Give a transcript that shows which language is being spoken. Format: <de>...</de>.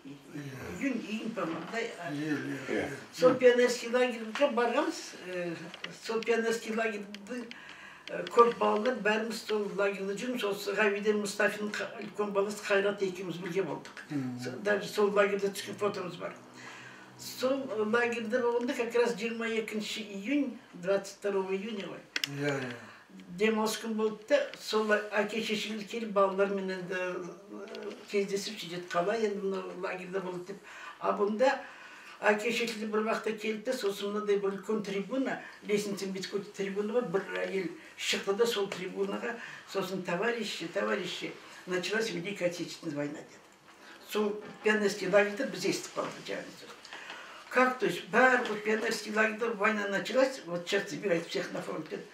<kk>Иә. Үйін үйін тамақтай. Иә, иә. Сол пионерский лагерьге барғанбыз. Сол пионерский лагерьді көп балалар бәріміз сол лагерьде жүрміз. Сол Ғабиден Мұстафиннің үлкен баласы Қайрат екеуміз бірге болдық. Дәл сол лагерьде түскен фотомыз бар. Сол лагерьде болғанда</kk> <ru>как раз</ru> <kk>22 июнь, 22 июня ғой. Иә. Демалыс күн болды да, сол әке шешеміз келіп балалармен енді кездесіп жүрді. Қалай енді мына лагерьде болды деп. А бұнда әке шешеміз бір уақытта келді де, сосын мынадай бір үлкен трибуна, лестницамен бітіп кетті трибуна бар, бір әйел шықты да сол трибунаға, сосын</kk> <ru>товарищи, товарищи, началась Великая Отечественная война</ru> <kk>деді. Сол пионерский лагерьде біз естіп қалдық жаңағы.</kk> <ru>Как, то есть, бар, вот пионерский лагерь, война началась, вот сейчас забирает всех на фронт.</ru>